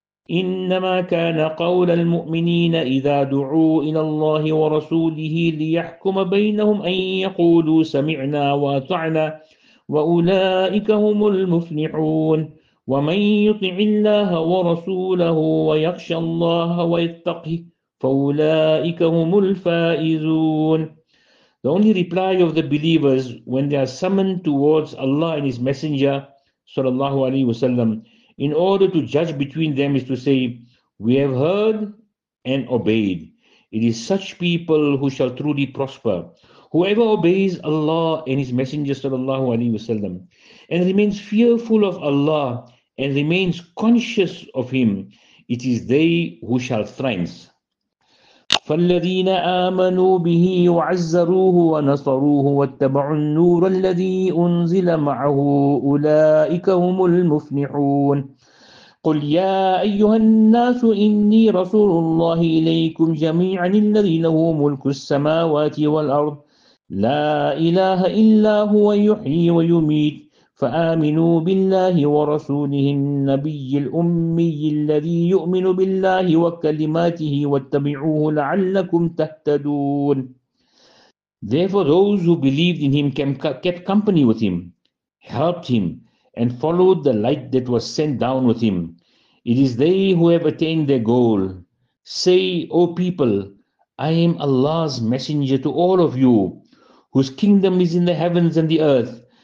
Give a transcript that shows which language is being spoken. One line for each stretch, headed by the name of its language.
Arabic: "إنما كان قول المؤمنين إذا دعوا إلى الله ورسوله ليحكم بينهم أن يقولوا سمعنا وأطعنا وأولئك هم المفلحون ومن يطع الله ورسوله ويخشى الله ويتقه فأولئك هم الفائزون.
English: The only reply of the believers when they are summoned towards Allah and His Messenger, sallallahu alaihi wasallam, in order to judge between them is to say, "We have heard and obeyed. It is such people who shall truly prosper. Whoever obeys Allah and His Messenger, sallallahu alaihi wasallam, and remains fearful of Allah and remains conscious of Him, it is they who shall thrive."
Arabic: فالذين آمنوا به وعزروه ونصروه واتبعوا النور الذي أنزل معه أولئك هم المفلحون. قل يا أيها الناس إني رسول الله إليكم جميعا الذي له ملك السماوات والأرض لا إله إلا هو يحيي ويميت فآمنوا بالله ورسوله النبي الأمي الذي يؤمن بالله وكلماته واتبعوه لعلكم تهتدون.
English: Therefore those who believed in him kept company with him, helped him, and followed the light that was sent down with him. It is they who have attained their goal. Say, O people, I am Allah's messenger to all of you, whose kingdom is in the heavens and the earth.